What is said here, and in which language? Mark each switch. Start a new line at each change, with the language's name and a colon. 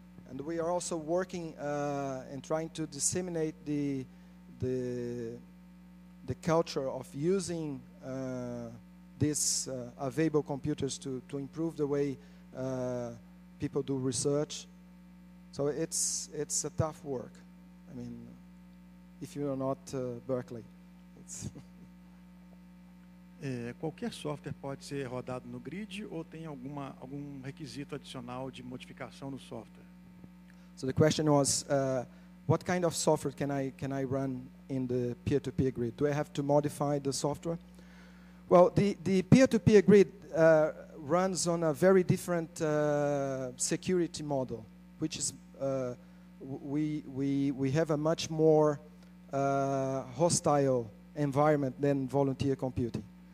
English: And we are also working and trying to disseminate the culture of using these available computers to improve the way people do research. So it's a tough work. I mean, if you are not Berkeley, it's
Portuguese: qualquer software pode ser rodado no grid ou tem algum requisito adicional de modificação no software?
English: So the question was, what kind of software can I run in the peer-to-peer grid? Do I have to modify the software? Well, the peer-to-peer grid runs on a very different security model, which is we have a much more hostile environment than volunteer computing.